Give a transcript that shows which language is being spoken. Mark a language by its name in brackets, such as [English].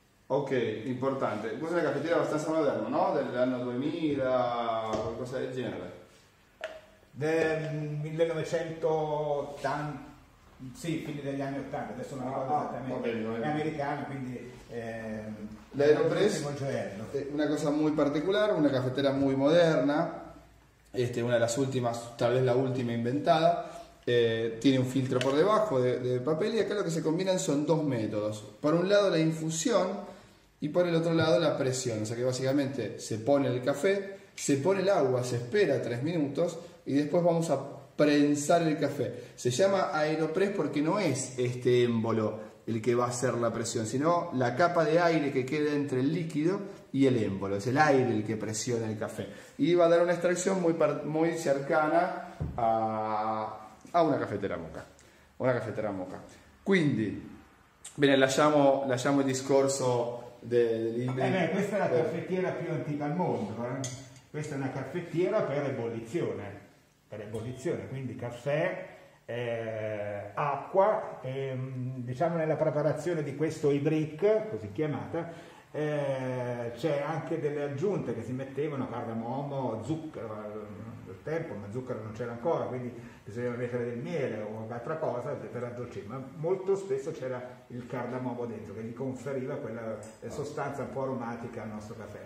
[Italian] Ok, importante. Questa è una caffettiera abbastanza moderna, no? Dell'anno 2000, qualcosa del genere. Del 1980. Sì, fine degli anni 80, adesso non ricordo esattamente, è americano, quindi l'Aeropress è una cosa [Spanish] muy particular, una cafetera muy moderna, una de las últimas, tal vez la última inventada, tiene un filtro por debajo de papel y acá lo que se combinan son dos métodos, por un lado la infusión y por el otro lado la presión, o sea que básicamente se pone el café, se pone el agua, se espera 3 minutos y después vamos a prensar el café. Se llama Aeropress porque no es este émbolo el que va a hacer la presión, sino la capa de aire que queda entre el líquido y el émbolo. Es el aire el que presiona el café. Y va a dar una extracción muy, muy cercana a una cafetera moca. Una cafetera moca. [Italian] Quindi, bene, lasciamo il discorso Beh, questa è la caffettiera più antica al mondo. Questa è una caffettiera per ebollizione. Ebollizione, quindi caffè, acqua, diciamo nella preparazione di questo ibrick, così chiamata, c'è anche delle aggiunte che si mettevano, cardamomo, zucchero, al tempo, ma zucchero non c'era ancora, quindi bisognava mettere del miele o un'altra cosa per addolcire, ma molto spesso c'era il cardamomo dentro che gli conferiva quella sostanza un po' aromatica al nostro caffè.